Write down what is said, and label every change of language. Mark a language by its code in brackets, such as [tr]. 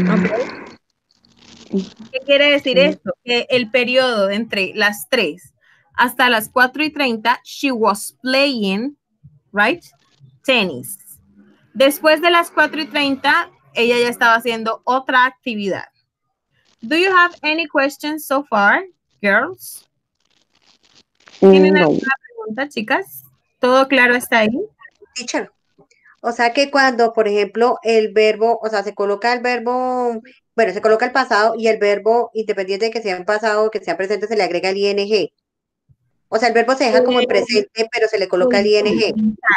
[es] ¿Okay? ¿Qué quiere decir esto? Que el periodo entre las 3 hasta las 4:30, [en] she was playing, right? [es] Tenis. Después de las 4:30, ella ya estaba haciendo otra actividad. [en] Do you have any questions so far, girls? [es] ¿Tienen alguna pregunta, chicas? ¿Todo claro hasta ahí? Teacher, o sea que cuando, por ejemplo, el verbo, o sea, se coloca el verbo, bueno, se coloca el pasado y el verbo, independiente de que sea en pasado o que sea presente, se le agrega el ing. O sea, el verbo se deja como en presente, pero se le coloca el ing.